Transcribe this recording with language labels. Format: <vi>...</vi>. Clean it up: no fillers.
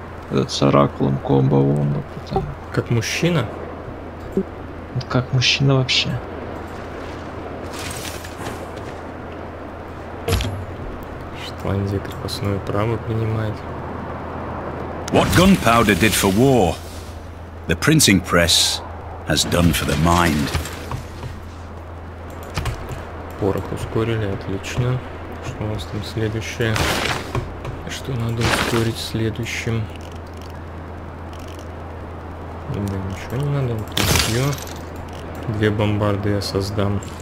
<ru>Этот с оракулом, комбо-вомбо. Как мужчина? Как мужчина вообще. Шотландия крепостное право принимает.</ru> <en>What gunpowder did for war, the printing press has done for the mind.</en> <ru>Порох ускорили, отлично. Что у нас там следующее? Что надо ускорить следующим? Да ничего не надо, вот ее. Две бомбарды я создам.</ru>